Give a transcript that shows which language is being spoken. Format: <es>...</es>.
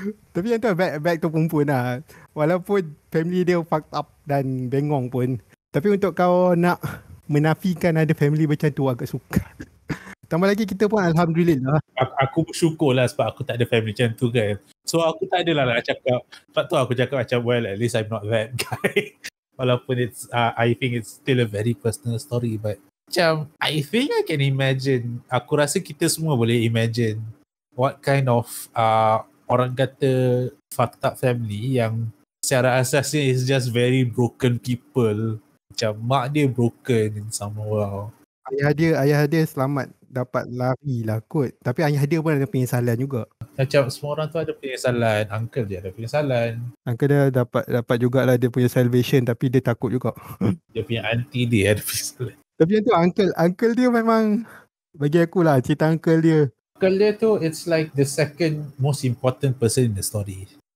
<ms>Tapi yang tu, back to Punpun lah. Walaupun family dia fucked up dan bengong pun. Tapi untuk kau nak menafikan ada family macam tu agak sukar. Tambah lagi kita pun alhamdulillah. Aku bersyukur lah sebab aku tak ada family macam tu kan. So aku tak adalah nak cakap. Sebab tu aku cakap macam,</ms> <en>well, at least I'm not that guy. Walaupun it's, I think it's still a very personal story. But macam, I think I can imagine.</en> <ms>Aku rasa kita semua boleh</ms> <en>imagine what kind of orang kata fucked up family</en> <ms>yang secara asasnya</ms> <en>is just very broken people.</en> <ms>Macam mak dia</ms> <en>broken in some way.</en> <ms>Ayah dia selamat dapat lari lah kot. Tapi ayah dia pun ada penyesalan juga. Macam semua orang tu ada penyesalan. Uncle dia ada penyesalan. Uncle dia dapat jugalah dia punya salvation, tapi dia takut juga. Dia punya auntie dia ada penyesalan. Tapi yang tu uncle dia memang, bagi aku lah cerita uncle dia.</ms> <en>Uncle dia tu it's like the second most important person in the story.</en>